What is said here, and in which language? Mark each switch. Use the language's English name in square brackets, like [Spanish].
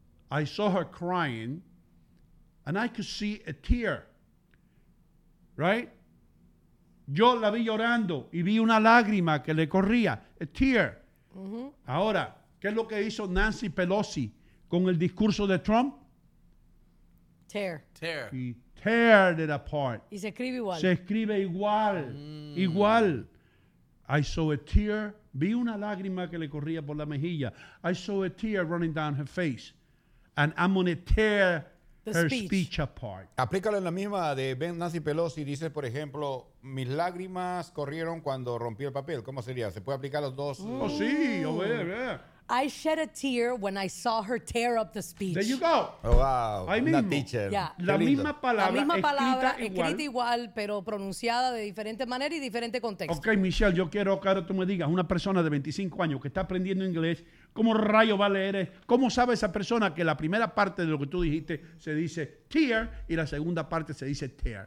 [English] I saw her crying and I could see a tear. Right? [Spanish] Yo la vi llorando y vi una lágrima que le corría. [English] A tear. Mm-hmm. [Spanish] Ahora, ¿qué es lo que hizo Nancy Pelosi con el discurso de Trump? [English] Tear. Tear. He teared it apart. [Spanish] Y se escribe igual. Se escribe igual. Mm. Igual. [English] I saw a tear. [Spanish] Vi una lágrima que le corría por la mejilla. [English] I saw a tear running down her face. And I'm going to tear her speech apart. [Spanish] Aplícalo en la misma de Nancy Pelosi. Dices, por ejemplo, mis lágrimas corrieron cuando rompí el papel. ¿Cómo sería? ¿Se puede aplicar los dos? Ooh. Oh, sí. Oh, yeah, yeah. [English] I shed a tear when I saw her tear up the speech. There you go. Oh, wow. [Spanish] Ahí mismo. [English] Teacher. Yeah. [Spanish] La misma palabra escrita igual, pero pronunciada de diferente manera y diferente contexto. Ok, Michelle, yo quiero que ahora tú me digas, una persona de 25 años que está aprendiendo inglés, ¿cómo rayo va a leer? ¿Cómo sabe esa persona que la primera parte de lo que tú dijiste se dice tear y la segunda parte se dice tear?